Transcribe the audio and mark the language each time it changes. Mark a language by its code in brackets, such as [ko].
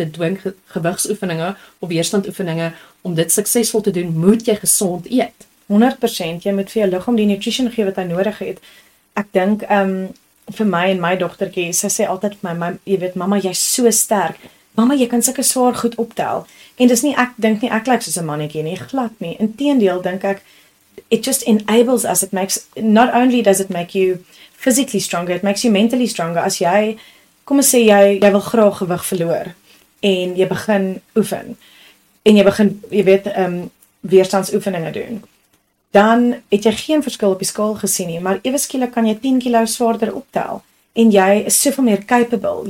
[af] Dit dwing gewigsoefeninge, of weerstandoefeninge, om dit suksesvol te doen, moet jy gezond eet. 100%, jy moet vir jou liggaam die nutrition gee wat hy nodig het. Ek dink, vir my en my dogtertjie, sy sê altyd vir my, jy weet, mama, jy is so sterk. Mama, jy kan sulke swaar goed optel. En dis nie, ek dink nie, ek lyk soos 'n mannetjie nie, glad nie. Inteendeel, dink ek, [en] it just enables us, it makes, not only does it make you physically stronger, it makes you mentally stronger. [af] As jy, kom ons sê, jy wil graag gewig verloor, en jy begin oefen, en jy begin, jy weet, weerstandsoefeninge doen, dan het jy geen verskil op die skaal gesien nie, maar ewe skielik kan jy 10 kilo swaarder optel, en jy is soveel meer capable.